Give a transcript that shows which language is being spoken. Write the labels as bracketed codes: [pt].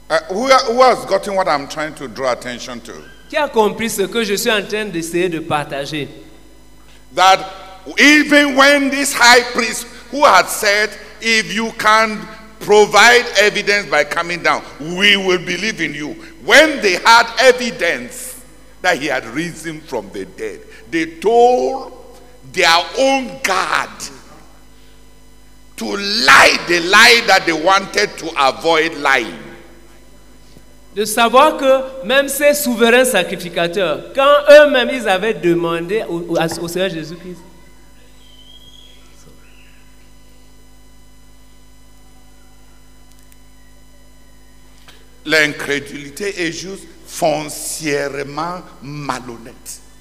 [en] Who has gotten what I'm trying to draw attention to? [fr] Qui a compris ce que je suis en train d'essayer de partager? [en] That even when this high priest who had said, if you can provide evidence by coming down, we will believe in you. When they had evidence that he had risen from the dead, they told their own God to lie the lie that they wanted to avoid lying. [fr] De savoir que même ces souverains sacrificateurs, quand eux-mêmes ils avaient demandé au Seigneur Jésus-Christ, l'incrédulité est juste foncièrement malhonnête.